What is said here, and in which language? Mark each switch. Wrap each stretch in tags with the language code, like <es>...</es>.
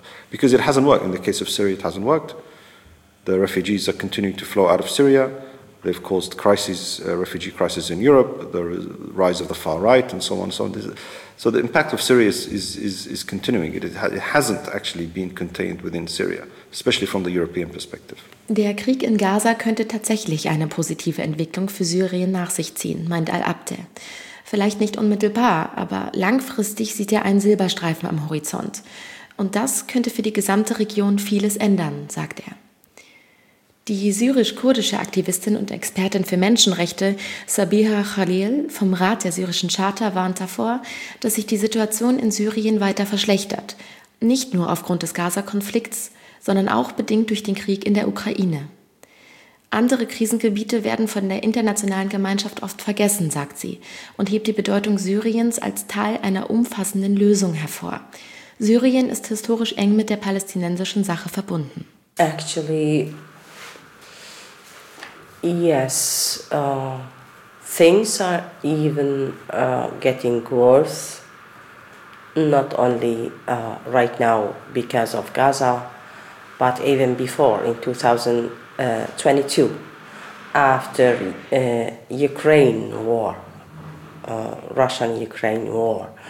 <en>Because it hasn't worked. In the case of Syria, it hasn't worked. The refugees are continuing to flow out of Syria. They've caused crises, refugee crisis in Europe, the rise of the far right, and so on and so on. So the impact of Syria is continuing. It hasn't actually been contained within Syria, especially from the European perspective.</en> <de>Der Krieg in Gaza könnte tatsächlich eine positive Entwicklung für Syrien nach sich ziehen, meint Al-Abte. Vielleicht nicht unmittelbar, aber langfristig sieht er einen Silberstreifen am Horizont. Und das könnte für die gesamte Region vieles ändern, sagt er. Die syrisch-kurdische Aktivistin und Expertin für Menschenrechte Sabiha Khalil vom Rat der syrischen Charta warnt davor, dass sich die Situation in Syrien weiter verschlechtert. Nicht nur aufgrund des Gaza-Konflikts, sondern auch bedingt durch den Krieg in der Ukraine. Andere Krisengebiete werden von der internationalen Gemeinschaft oft vergessen, sagt sie, und hebt die Bedeutung Syriens als Teil einer umfassenden Lösung hervor. Syrien ist historisch eng mit der palästinensischen Sache verbunden.</de> <en>Actually, yes, things are even getting worse, not only right now because of Gaza, but even before in 2022, after Ukraine war, Russian-Ukraine war.</en>